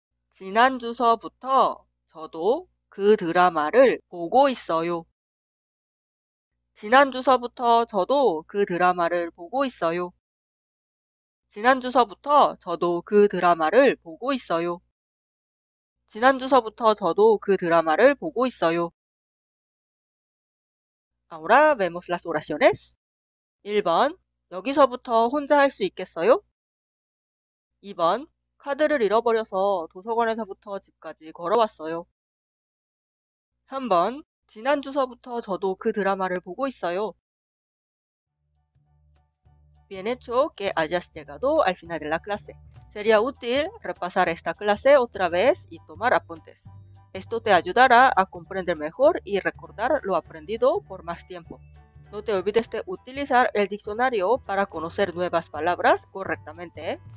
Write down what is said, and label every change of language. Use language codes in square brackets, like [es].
[ko] 지난 주서부터 저도 그 드라마를 보고 있어요. 지난 주서부터 저도 그 드라마를 보고 있어요. 지난 주서부터 저도 그 드라마를 보고 있어요. 지난 주서부터 저도 그 드라마를 보고 있어요. [es] Ahora vemos las oraciones. [ko] 1번. 여기서부터 혼자 할수 있겠어요? 2번. 카드를 잃어버려서 도서관에서부터 집까지 걸어왔어요. 3번. 지난주서부터 저도 그 드라마를 보고 있어요. [es] Bien hecho que hayas llegado al final de la clase. Sería útil repasar esta clase otra vez y tomar apuntes. Esto te ayudará a comprender mejor y recordar lo aprendido por más tiempo. No te olvides de utilizar el diccionario para conocer nuevas palabras correctamente.